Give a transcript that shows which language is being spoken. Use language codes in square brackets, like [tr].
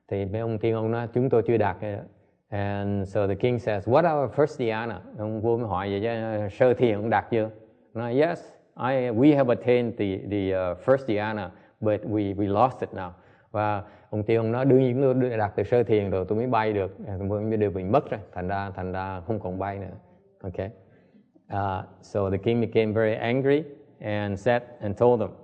[vi] Mấy ông tiên ông nói chúng tôi chưa đạt. [en] And so the king says, "What are our first dhyana?" [vi] Ông vua mới hỏi vậy chứ, sơ thiền ông đạt chưa? [en] Nói, "Yes, we have attained the first dhyana, but we lost it now." [vi] Và ông tiên ông nói đương nhiên tôi đạt từ sơ thiền rồi tôi mới bay được, tôi mới được mình mất rồi, thành ra không còn bay nữa. [en] Okay. So the king became very angry and said and told them.